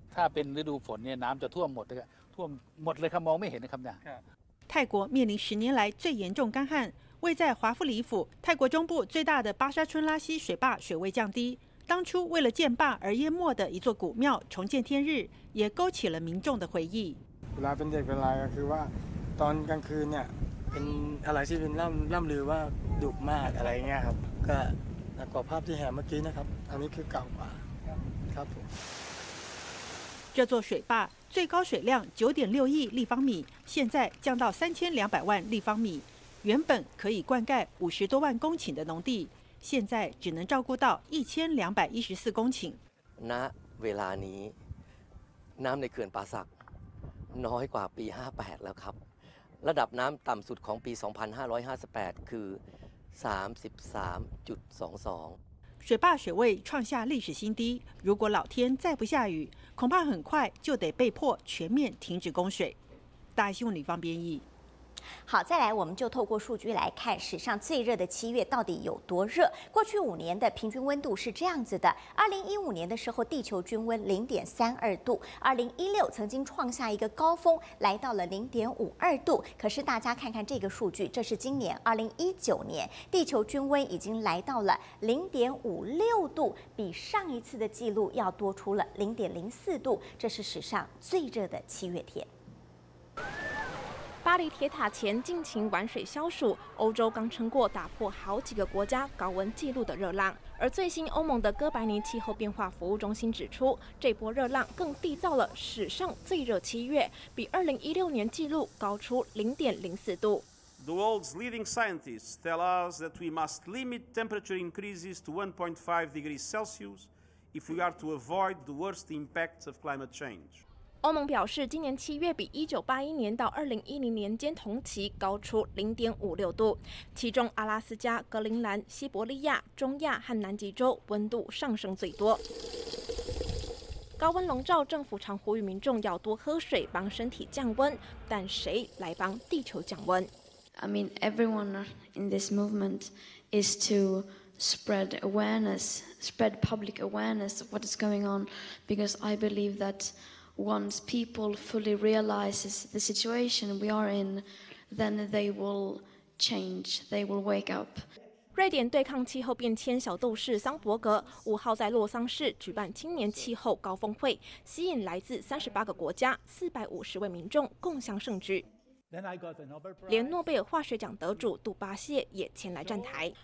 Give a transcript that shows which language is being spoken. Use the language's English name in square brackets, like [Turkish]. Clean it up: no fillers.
[Chinese] 它变成绿粉呢，南就脱沫的，看毛没很的看不见。泰国面临十年来最严重干旱，位在华富里府，泰国中部最大的巴沙春拉西水坝水位降低。当初为了建坝而淹没的一座古庙重见天日，也勾起了民众的回忆。 [Thai] เวลาเป็นเด็กเป็นไรก็คือว่าตอนกลางคืนเนี่ยเป็นอะไรที่เป็นล่ำลือว่าดุมากอะไรเงี้ยครับก็หนักกว่าภาพที่เห็นเมื่อกี้นะครับอันนี้คือเก่ากว่าครับผม [Chinese] 这座水坝最高水量 9.6 亿立方米，现在降到3200万立方米，原本可以灌溉50多万公顷的农地，现在只能照顾到1214公顷。 [Thai] ณเวลานี้น้ำในเขื่อนป่าสักน้อยกว่าปี58แล้วครับระดับน้ำต่ำสุดของปี2558คือ 33.22 [Chinese] 水坝水位创下历史新低，如果老天再不下雨，恐怕很快就得被迫全面停止供水。大新闻李芳编译。好，再来我们就透过数据来看史上最热的七月到底有多热。过去五年的平均温度是这样子的，2015年的时候地球均温 0.32 度，2016曾经创下一个高峰来到了 0.52 度。可是大家看看这个数据，这是今年2019年地球均温已经来到了 0.56 度，比上一次的记录要多出了 0.04 度，这是史上最热的七月天。巴黎铁塔前尽情玩水消暑，欧洲刚撑过打破好几个国家高温纪录的热浪，而最新欧盟的哥白尼气候变化服务中心指出，这波热浪更缔造了史上最热七月，比2016年纪录高出 0.04 度。 [English] The world's leading scientists tell us that we must limit temperature increases to 1.5 degrees Celsius if we are to avoid the worst impacts of climate change. [Chinese] 欧盟表示，今年七月比1981年到2010年间同期高出 0.56 度，其中阿拉斯加、格陵兰、西伯利亚、中亚和南极洲温度上升最多。高温笼罩，政府常呼吁民众要多喝水，帮身体降温，但谁来帮地球降温 [English] ？I mean, everyone in this movement is to spread awareness, spread public awareness of what is going on, because I believe that. Once people fully realize the situation we are in, then they will change. They will wake up. [Chinese] 瑞典对抗气候变迁小斗士桑伯格五号在洛桑市举办青年气候高峰会，吸引来自38个国家450位民众共享盛举。连诺贝尔化学奖得主杜巴谢也前来站台。